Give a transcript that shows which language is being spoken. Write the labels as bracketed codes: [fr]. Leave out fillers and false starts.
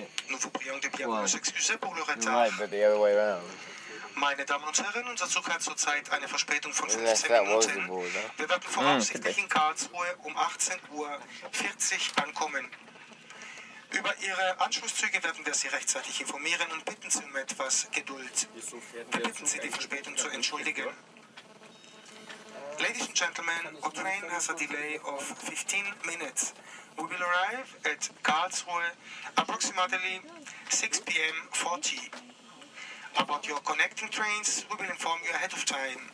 [fr] Nous vous prions de bien nous excuser pour le retard. [en] Right, but the other way around. [de] Meine Damen und Herren, unser Zug hat zurzeit eine Verspätung von 15 Minuten. Wir werden voraussichtlich in Karlsruhe um 18.40 Uhr ankommen. Über Ihre Anschlusszüge werden wir Sie rechtzeitig informieren und bitten Sie um etwas Geduld. Wir bitten Sie, die Verspätung zu entschuldigen. [en] Ladies and gentlemen, our train has a delay of 15 minutes. We will arrive at Karlsruhe approximately 6:40. About your connecting trains, we will inform you ahead of time.